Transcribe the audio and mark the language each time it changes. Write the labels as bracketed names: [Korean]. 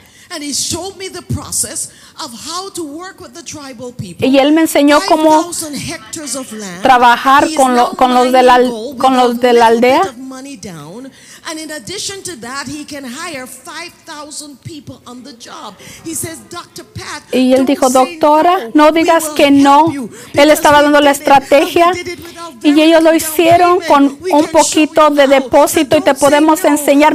[English] And he showed me the process of how to work with the tribal people. [Spanish] Y él me enseñó cómo trabajar con los de la aldea. [English] And in addition to that, he can hire 5,000 people on the job. He says, Dr. Pat, [Spanish] y él dijo, doctora, no digas que no. Él estaba dando la estrategia y ellos lo hicieron con un poquito de depósito y te podemos enseñar.